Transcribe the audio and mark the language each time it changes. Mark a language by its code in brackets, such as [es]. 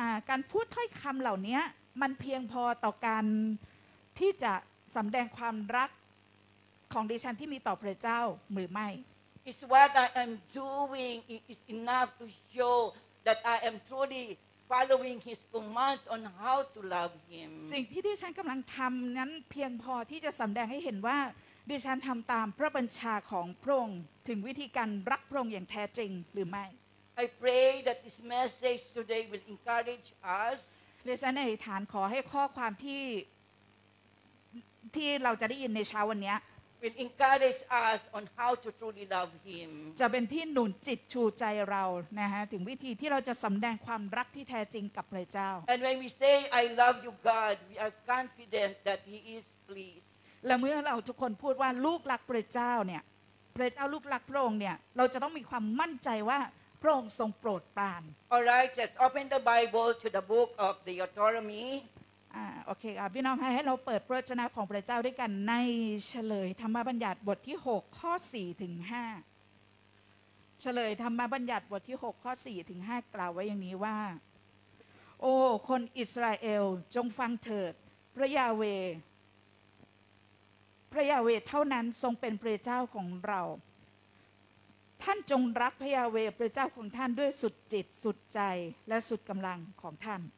[th] การพูดถ้อยคำเหล่านี้มันเพียงพอต่อการที่จะสำแดงความรักของดิฉันที่มีต่อพระเจ้าหรือไม่ [en] Is what I am doing is enough to show that I am trulyfollowing his commands on how to love him [th] สิ่งที่ดิฉันกำลังทำนั้นเพียงพอที่จะสำแดงให้เห็นว่าดิฉันทำตามพระบัญชาของพระองค์ถึงวิธีการรักพระองค์อย่างแท้จริงหรือไม่ [en] I pray that this message today will encourage us [th] ดิฉันอธิษฐานขอให้ข้อความที่เราจะได้ยินในเช้าวันนี้ [en] will encourage us on how to truly love him [th] จะเป็นที่หนุนจิตชูใจเรานะฮะถึงวิธีที่เราจะสำแดงความรักที่แท้จริงกับพระเจ้า [en] And when we say I love you God we are confident that he is pleased [th] และเมื่อเราทุกคนพูดว่าลูกรักพระเจ้าเนี่ยพระเจ้าลูกรักพระองค์เนี่ยเราจะต้องมีความมั่นใจว่าพระองค์ทรงโปรดปราน [en] All right just open the Bible to the book of Deuteronomy [th] โอเคค่ะพี่น้องให้เราเปิดพระวจนะของพระเจ้าด้วยกันในเฉลยธรรมบัญญัติบทที่6ข้อ4ถึง5เฉลยธรรมบัญญัติบทที่6ข้อ4ถึง5กล่าวไว้อย่างนี้ว่าโอ้คนอิสราเอลจงฟังเถิดพระยาเวเท่านั้นทรงเป็นพระเจ้าของเราท่านจงรักพระยาเวพระเจ้าของท่านด้วยสุดจิตสุดใจและสุดกำลังของท่าน